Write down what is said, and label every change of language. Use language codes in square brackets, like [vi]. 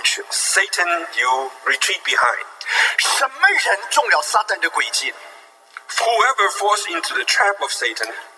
[en] Satan, you retreat behind. [zh] 什么人中了撒旦的诡计? [en] Whoever falls into the trap of Satan,